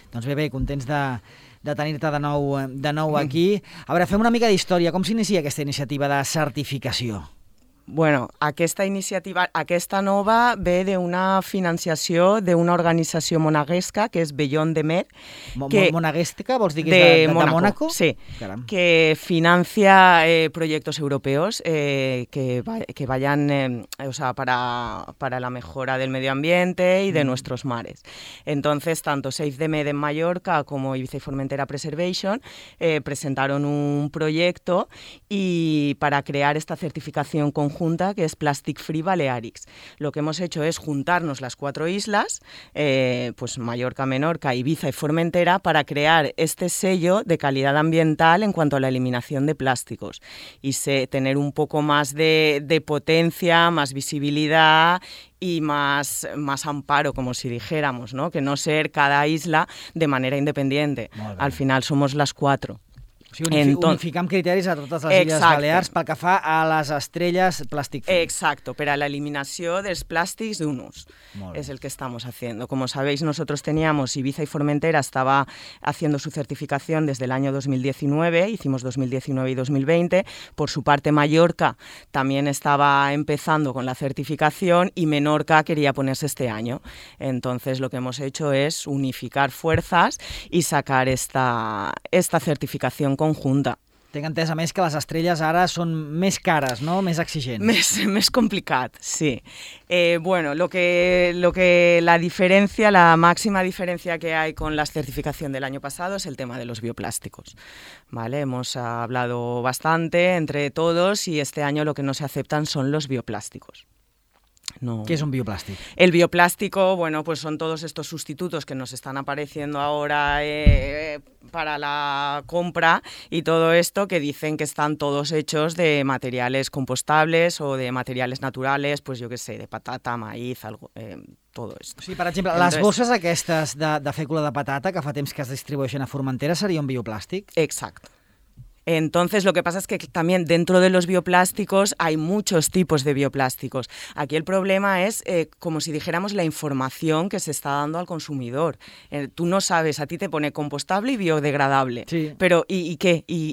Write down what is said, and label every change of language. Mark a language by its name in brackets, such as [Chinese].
[Catalan] Doncs bé, contents de tenir-te de nou aquí. A veure, fem una mica d'història. Com s'inicia aquesta iniciativa de certificació? Bueno, aquesta iniciativa, aquesta nova, ve d'una financiació d'una organització monegasca, que és Beyond the Mer. Monegasca, vols dir que és de Mònaco? Sí, caram. [Spanish] Que financia proyectos europeos que vayan para la mejora del medio ambiente y de nuestros mares. Entonces, tanto Save the Med en Mallorca como Ibiza y Formentera Preservation presentaron un proyecto y para crear esta certificación conjunta, que es Plastic Free Balearics. Lo que hemos hecho es juntarnos las cuatro islas, pues Mallorca, Menorca, Ibiza y Formentera, para crear este sello de calidad ambiental en cuanto a la eliminación de plásticos y tener un poco más de potencia, más visibilidad y más amparo, como si dijéramos, ¿no? Que no ser cada isla de manera independiente. Al final somos las cuatro. [Catalan] O sigui, unificant criteris a totes les illes Balears pel que fa a les estrelles Plàstic Free. Exacto, per a l'eliminació dels plàstics d'un ús. [Spanish] És el que estamos haciendo. Como sabéis, nosotros teníamos Ibiza y Formentera, estaba haciendo su certificación desde el año 2019, hicimos 2019 y 2020. Por su parte, Mallorca también estaba empezando con la certificación y Menorca quería ponerse este año. Entonces, lo que hemos hecho es unificar fuerzas y sacar esta certificación conjunta. [Catalan] Tinc entès, a més, que les estrelles ara són més cares, no? Més exigents. Més complicat, sí. [Spanish] Bueno, lo que la diferencia, la máxima diferencia que hay con la certificación del año pasado es el tema de los bioplásticos, ¿vale? Hemos hablado bastante entre todos y este año lo que no se aceptan son los bioplásticos. No. ¿Qué es un bioplástico? El bioplástico, bueno, pues son todos estos sustitutos que nos están apareciendo ahora para la compra y todo esto que dicen que están todos hechos de materiales compostables o de materiales naturales, pues yo qué sé, de patata, maíz, algo... Todo esto. [Catalan] Sí, per exemple, les bosses aquestes de fècula de patata que fa temps que es distribueixen a Formentera seria un bioplàstic? [Spanish] Exacto. Entonces, lo que pasa es que también dentro de los bioplásticos hay muchos tipos de bioplásticos. Aquí el problema es, como si dijéramos, la información que se está dando al consumidor. Tú no sabes, a ti te pone compostable y biodegradable. Sí. Pero, ¿y qué?